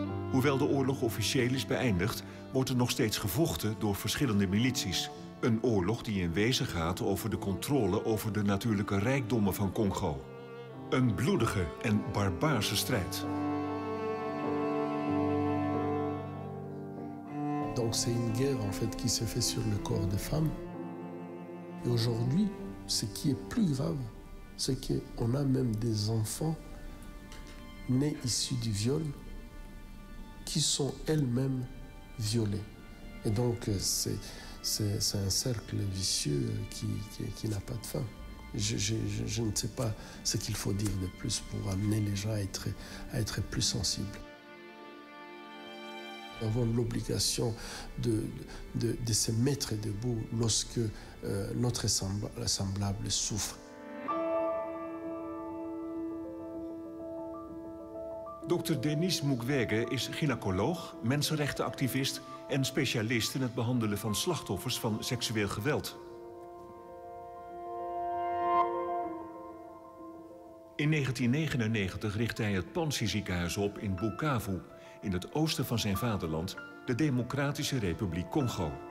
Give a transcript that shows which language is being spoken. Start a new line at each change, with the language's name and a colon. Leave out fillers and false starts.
Dutch: Hoewel de oorlog officieel is beëindigd, wordt er nog steeds gevochten door verschillende milities. Een oorlog die in wezen gaat over de controle over de natuurlijke rijkdommen van Congo. Een bloedige en barbaarse strijd.
French: Donc c'est une guerre en fait qui se fait sur le corps des femmes. Et aujourd'hui, ce qui est plus grave, c'est qu'on a même des enfants nés issus du viol qui sont elles-mêmes violées. Et donc c'est un cercle vicieux qui n'a pas de fin. Je ne sais pas ce qu'il faut dire de plus pour amener les gens à être plus sensibles. Nous avons l'obligation de se mettre debout lorsque notre semblable souffre.
Dutch: Dr. Denis Mukwege is gynaecoloog, mensenrechtenactivist en specialist in het behandelen van slachtoffers van seksueel geweld. In 1999 richtte hij het Panzi ziekenhuis op in Bukavu, in het oosten van zijn vaderland, de Democratische Republiek Congo.